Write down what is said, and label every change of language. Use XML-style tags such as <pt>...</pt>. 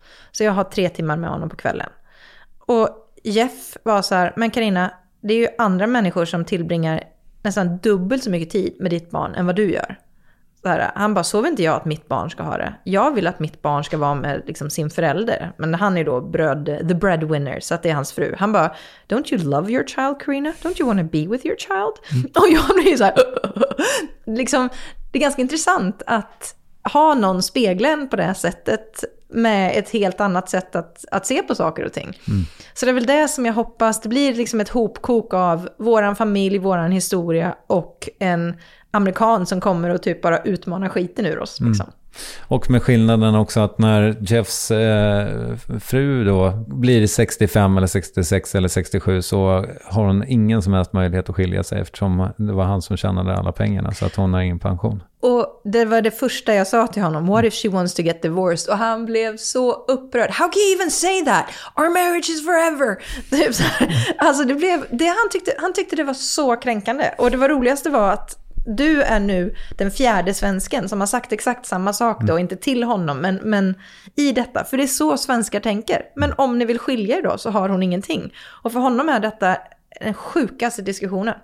<sv>Så jag har 3 timmar med honom på kvällen. Och Jeff var så här, men Carina, det är ju andra människor som tillbringar nästan dubbelt så mycket tid med ditt barn än vad du gör. Han bara, sover inte jag att mitt barn ska ha det? Jag vill att mitt barn ska vara med liksom, sin förälder. Men han är då</sv> <en>the breadwinner,</en> <sv>så att det är hans fru. Han bara,</sv> <en>don't you love your child, Carina? Don't you want to be with your child?</en> <sv>Mm. Och jag blir så här, liksom, det är ganska intressant att ha någon spegeln på det här sättet med ett helt annat sätt att se på saker och ting. Mm. Så det är väl det som jag hoppas, det blir liksom ett hopkok av våran familj, våran historia och en amerikan som kommer och typ bara utmanar skiten ur oss. Liksom. Mm. Och med skillnaden också att när Jeffs fru då blir 65 eller 66 eller 67 så har hon ingen som helst möjlighet att skilja sig eftersom det var han som tjänade alla pengarna så att hon har ingen pension. Och det var det första jag sa till honom.</sv> <en>What if she wants to get divorced?</en> <sv>Och han blev så upprörd.</sv> <en>How can you even say that? Our marriage is forever.</en> <sv>Typ så här. Alltså det blev, det han tyckte det var så kränkande. Och det var roligaste var att du är nu den fjärde svensken som har sagt exakt samma sak då, inte till honom, men i detta. För det är så svenskar tänker. Men om ni vill skilja er då så har hon ingenting. Och för honom är detta den sjukaste diskussionen.</sv>